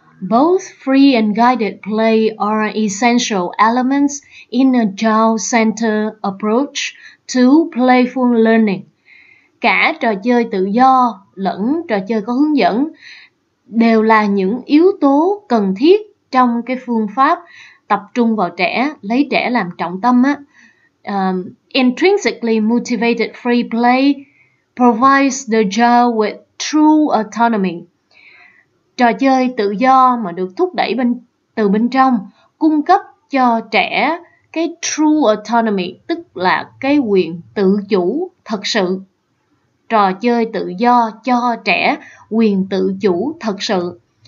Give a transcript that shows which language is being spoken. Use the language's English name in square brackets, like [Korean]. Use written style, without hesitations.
[English] Both free and guided play are essential elements in a child-centered approach to playful learning. [Vietnamese] Cả trò chơi tự do lẫn trò chơi có hướng dẫn đều là những yếu tố cần thiết trong cái phương pháp tập trung vào trẻ, lấy trẻ làm trọng tâm á. [English] Intrinsically motivated free play provides the child with true autonomy. [Vietnamese] Trò chơi tự do mà được thúc đẩy từ bên trong cung cấp cho trẻ cái true autonomy, tức là cái quyền tự chủ thật sự. Trò chơi tự do cho trẻ quyền tự chủ thật sự.